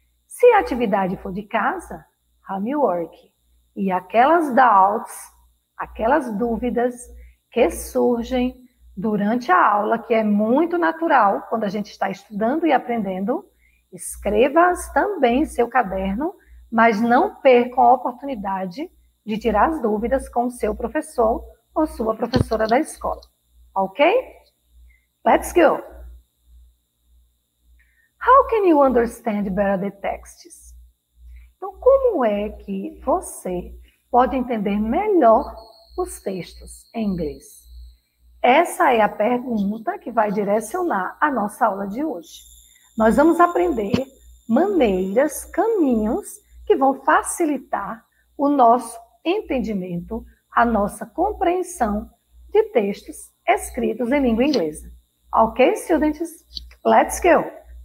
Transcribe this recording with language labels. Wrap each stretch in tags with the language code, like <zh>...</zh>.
<pt>Se a atividade for de casa, homework, e aquelas doubts, aquelas dúvidas, que surgem durante a aula, que é muito natural quando a gente está estudando e aprendendo, escreva-as também em seu caderno, mas não percam a oportunidade de tirar as dúvidas com o seu professor ou sua professora da escola.</pt> <en>Ok? Let's go! How can you understand better the texts?</en> <pt>Então, como é que você pode entender melhor os textos em inglês? Essa é a pergunta que vai direcionar a nossa aula de hoje. Nós vamos aprender maneiras, caminhos que vão facilitar o nosso entendimento, a nossa compreensão de textos escritos em língua inglesa.</pt> <en>Ok, students? Let's go!</en>